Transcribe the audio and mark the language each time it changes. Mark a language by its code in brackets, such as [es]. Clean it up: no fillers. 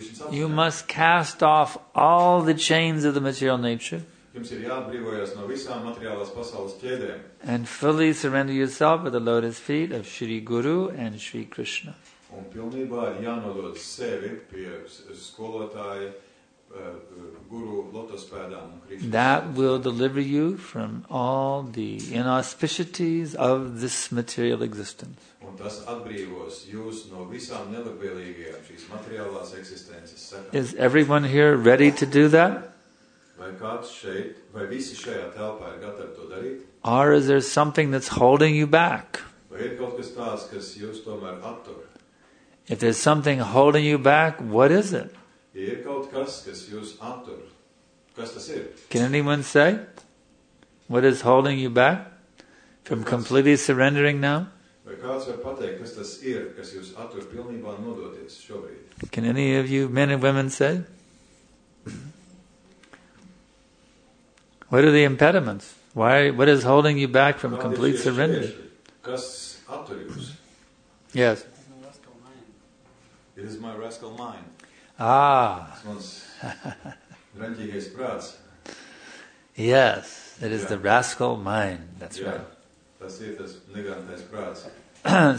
[en] You must cast off all the chains of the material nature. [lv] Jums ir jāatbrīvojas no visām materiālās pasaules ķēdēm. [en] And fully surrender yourself at the lotus feet of Shri Guru and Shri Krishna. [lv] Un pilnībā jānodod sevi pie skolotāja, guru, lotus pēdām un Krishna. [en] That will deliver you from all the inauspicities of this material existence. [lv] Un tas atbrīvos jūs no visām nelabvēlīgajām šīs materiālās eksistences. [en] Is everyone here ready to do that? [lv] Vai kāds šeit, vai visi šajā telpā ir gatavi to darīt? [en] Or is there something that's holding you back? [lv] Vai ir kaut kas tās, kas jūs tomēr attur? [en] If there's something holding you back, what is it? [lv] Ir kaut kas, kas jūs attur. Kas tas ir? [en] Can anyone say what is holding you back from completely surrendering now? [lv] Vai kāds var pateikt, kas tas ir, kas jūs attur pilnībā nodoties šobrīd? [en] Can any of you men and women say? What are the impediments? Why? What is holding you back from complete surrender? [lv] Kas atur jūs? [en] Yes. It is my rascal mind. Ah. [lv] Rentīgais prāts. [en] Yes, it is the rascal mind. That's right. [lv] Tas ir tas negantais prāts.